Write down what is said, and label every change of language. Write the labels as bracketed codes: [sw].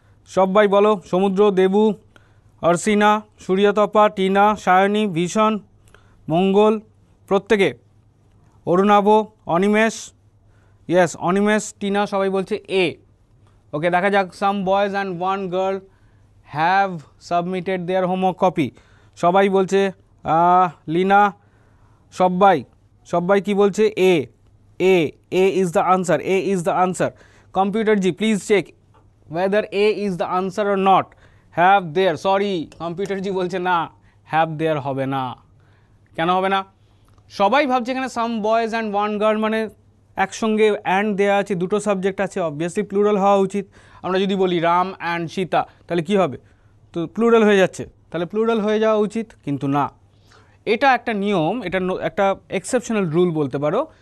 [bn] সবাই বলো, সমুদ্র, দেবু, অর্সিনা, সূর্যতপা, টিনা, সায়নী, ভীষণ, মঙ্গল, প্রত্যেকে, অরুণাভ, অনিমেষ, ইয়েস অনিমেষ, টিনা, সবাই বলছে এ। [en] okay, [bn] দেখা যাক, [en] some boys and one girl have submitted their homework copy, [bn] সবাই বলছে লীনা, সবাই, সবাই কী বলছে? [en] A, A, A is the answer, A is the answer. Computer ji, please check whether A is the answer or not. Have there, sorry, computer ji [bn] বলছে না, [en] have there [bn] হবে না। কেন হবে না? সবাই ভাবছে এখানে [en] some boys and one girl [bn] মানে একসঙ্গে অ্যান্ড দেওয়া আছে, দুটো সাবজেক্ট আছে, অবভিয়াসলি প্লুরাল হওয়া উচিত। আমরা যদি বলি রাম অ্যান্ড সীতা তাহলে কী হবে? তো প্লুরাল হয়ে যাচ্ছে, তাহলে প্লুরাল হয়ে যাওয়া উচিত, কিন্তু না। এটা একটা নিয়ম, এটা একটা এক্সেপশনাল রুল বলতে পারো।